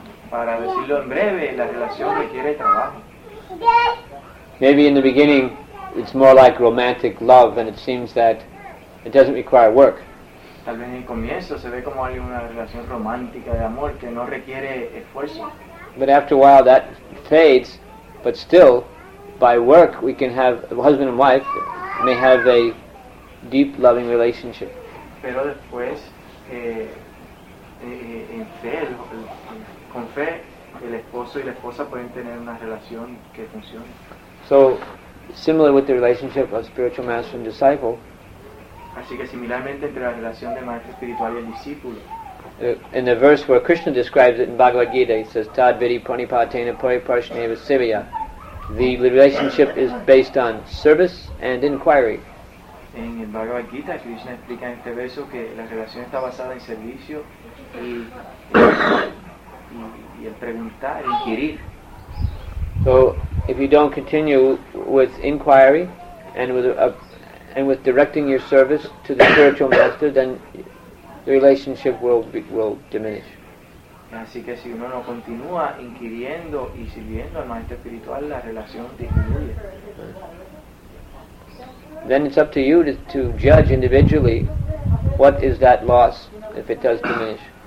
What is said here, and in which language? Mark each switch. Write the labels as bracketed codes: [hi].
[es] Para decirlo en breve, la relación requiere trabajo. [en] Maybe in the beginning it's more like romantic love and it seems that it doesn't require work. [es] Tal vez en el comienzo se ve como una relación romántica de amor que no requiere esfuerzo. [en] But after a while that fades, but still, by work we can have, husband and wife may have a deep loving relationship. [es] Pero después, en fe, con fe, el esposo y la esposa pueden tener una relación que funcione. [en] So, similar with the relationship of spiritual master and disciple, [es] así que similarmente entre la relación de maestro espiritual y el discípulo. [en] In the verse where Krishna describes it in Bhagavad Gita, he says, [sa] "Tad viri panipatena pariparshneva sivya." [en] The relationship is based on service and inquiry. [es] En el Bhagavad Gita, Krishna explica en este verso que la relación está basada en servicio y el preguntar, inquirir. [en] So, if you don't continue with inquiry and with directing your service to the spiritual master, then the relationship will diminish. [es] Así que si uno no continúa inquiriendo y sirviendo al maestro espiritual, la relación disminuye. [en] Then it's up to you to judge individually what is that loss if it does diminish.